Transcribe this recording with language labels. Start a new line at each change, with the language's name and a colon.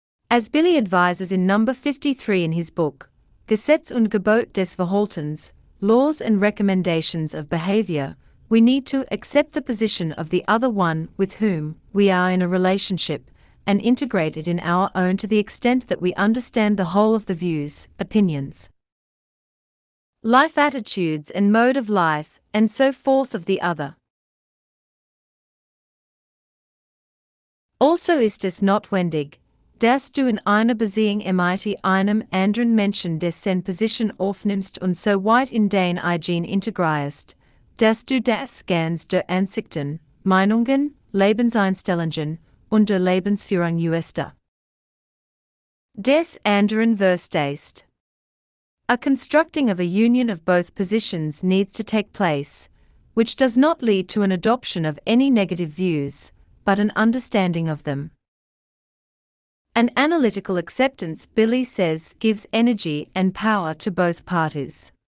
English: As Billy advises in number 53 in his book, Gesetz und Gebot des Verhaltens, Laws and Recommendations of Behavior, we need to accept the position of the other one with whom we are in a relationship and integrate it in our own to the extent that we understand the whole of the views, opinions, life attitudes and mode of life, and so forth of the other.
German: Also ist es notwendig, dass du in einer Beziehung mit einem anderen Menschen dessen Position aufnimmst und so weit in dein Eigen integrierst, dass du das Ganze der Ansichten, Meinungen, Lebenseinstellungen und der Lebensführung usst. Des anderen verstehst.
English: A constructing of a union of both positions needs to take place, which does not lead to an adoption of any negative views, but an understanding of them. An analytical acceptance, Billy says, gives energy and power to both parties.